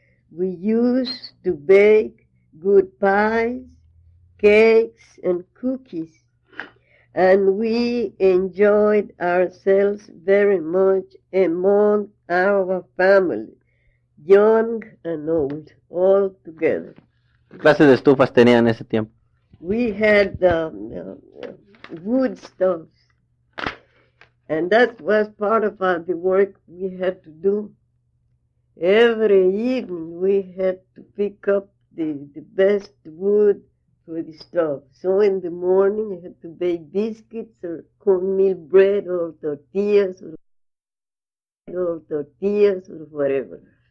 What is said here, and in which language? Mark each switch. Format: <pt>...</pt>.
<en>We used to bake good pies, cakes, and cookies. And we enjoyed ourselves very much among our family, young and old, all together.</en> <es>¿Qué clase de estufas tenían en ese tiempo?</es> <en>We had wood stoves. And that was part of the work we had to do. Every evening we had to pick up the best wood for the stove. So in the morning you had to bake biscuits or cornmeal bread or tortillas or whatever.</en>